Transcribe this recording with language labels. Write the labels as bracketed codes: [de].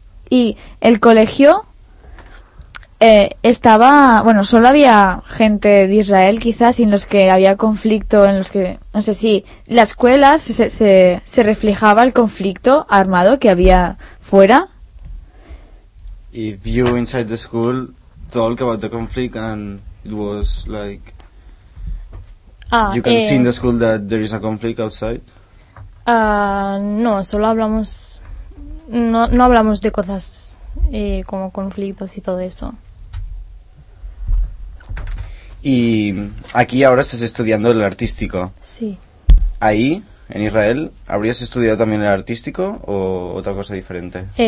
[es] Y el colegio estaba, bueno, solo había gente de Israel quizás, y en los que había conflicto, en los que, no sé si la escuela se reflejaba el conflicto armado que había fuera. [en] If you inside the school talk about the conflict and it was like you can see in the school that there is a conflict outside. [es] No, solo hablamos. No hablamos de cosas como conflictos y todo eso. Y aquí ahora estás estudiando el artístico. Sí. Ahí, en Israel, ¿habrías estudiado también el artístico o otra cosa diferente?